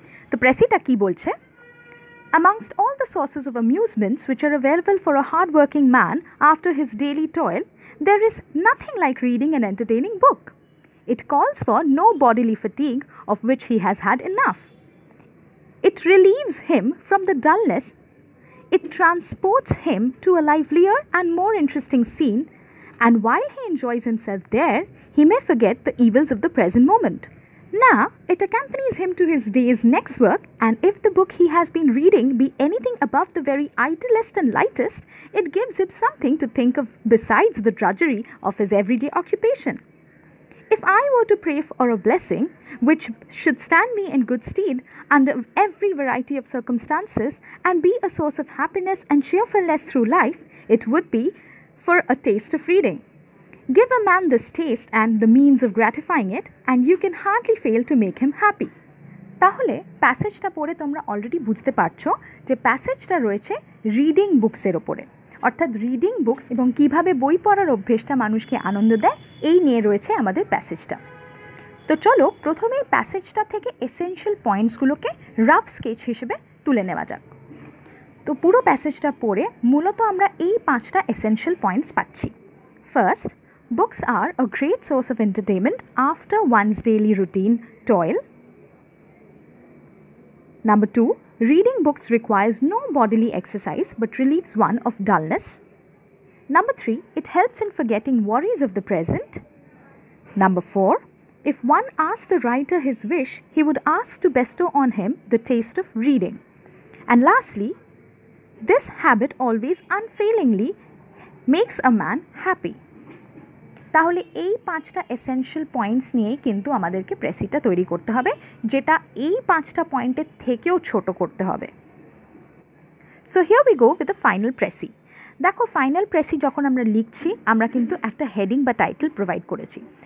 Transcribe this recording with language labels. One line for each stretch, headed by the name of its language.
Bangla: তো প্রেসিটা কী বলছে?
English: Amongst all the sources of amusements which are available for a hard working man after his daily toil, there is nothing like reading an entertaining book. It calls for no bodily fatigue of which he has had enough. It relieves him from the dullness, it transports him to a livelier and more interesting scene, and while he enjoys himself there, he may forget the evils of the present moment. Now, it accompanies him to his day's next work, and if the book he has been reading be anything above the very idlest and lightest, it gives him something to think of besides the drudgery of his everyday occupation. If I were to pray for a blessing, which should stand me in good stead under every variety of circumstances and be a source of happiness and cheerfulness through life, it would be for a taste of reading. Give a man this taste and the means of gratifying it, and you can hardly fail to make him happy.
Bangla: তাহলে প্যাসেজটা পড়ে তোমরা already বুঝতে পারছো যে প্যাসেজটা রয়েছে reading বুকসের ওপরে, অর্থাৎ reading books এবং কীভাবে বই পড়ার অভ্যেসটা মানুষকে আনন্দ দেয়, এই নিয়ে রয়েছে আমাদের প্যাসেজটা। তো চলো প্রথমেই প্যাসেজটা থেকে এসেনশিয়াল পয়েন্টসগুলোকে রাফ স্কেচ হিসেবে তুলে নেওয়া যাক। তো পুরো প্যাসেজটা পড়ে মূলত আমরা এই পাঁচটা এসেনশিয়াল পয়েন্টস পাচ্ছি।
English: First, books are a great source of entertainment after one's daily routine toil. Number two, reading books requires no bodily exercise but relieves one of dullness. Number 3, it helps in forgetting worries of the present. Number 4, if one asks the writer his wish, he would ask to bestow on him the taste of reading. And lastly, this habit always unfailingly makes a man happy.
Bangla: তাহলে এই পাঁচটা essential points নিয়েই কিন্তু আমাদেরকে প্রেসিটা তৈরি করতে হবে, যেটা এই পাঁচটা পয়েন্টের থেকেও ছোট করতে হবে।
English: So here we go with the final precis.
Bangla: দেখো ফাইনাল প্রেসি যখন আমরা লিখছি আমরা কিন্তু একটা হেডিং বা টাইটেল প্রোভাইড করেছি।